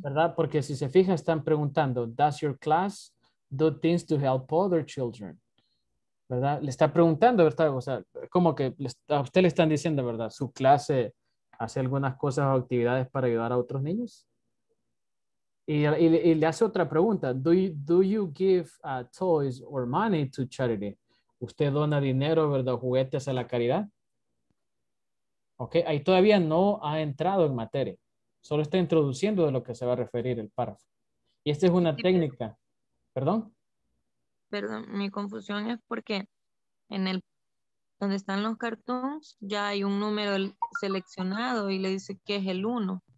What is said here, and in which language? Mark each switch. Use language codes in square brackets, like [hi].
[es] ¿Verdad? Porque si se fijan, están preguntando, [en] ¿Does your class do things to help other children? [es] ¿Verdad? Le está preguntando, ¿verdad? O sea, como que a usted le están diciendo, ¿verdad? Su clase... hace algunas cosas o actividades para ayudar a otros niños. Y le hace otra pregunta. [en] Do you give toys or money to charity? [es] ¿Usted dona dinero, verdad, juguetes a la caridad? Ok, ahí todavía no ha entrado en materia. Solo está introduciendo de lo que se va a referir el párrafo. Y esta es una técnica. ¿Perdón? Perdón, mi confusión es porque en el donde están los cartoons, ya hay un número seleccionado y le dice que es el 1.